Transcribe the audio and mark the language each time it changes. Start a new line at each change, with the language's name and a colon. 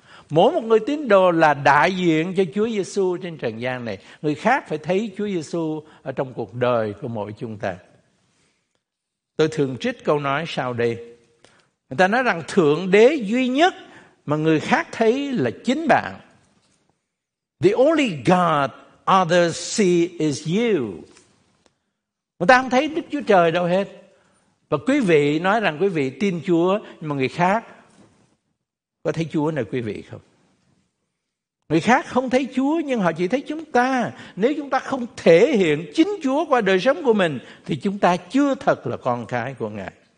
Vietnamese: Mỗi một người tín đồ là đại diện cho Chúa Giêsu trên trần gian này. Người khác phải thấy Chúa Giêsu ở trong cuộc đời của mỗi chúng ta. Tôi thường trích câu nói sau đây. Người ta nói rằng Thượng Đế duy nhất mà người khác thấy là chính bạn.
English: The only God others see is you.
Vietnamese: Người ta không thấy Đức Chúa Trời đâu hết. Và quý vị nói rằng quý vị tin Chúa, nhưng mà người khác có thấy Chúa này quý vị không? Người khác không thấy Chúa, nhưng họ chỉ thấy chúng ta. Nếu chúng ta không thể hiện chính Chúa qua đời sống của mình, thì chúng ta chưa thật là con cái của Ngài.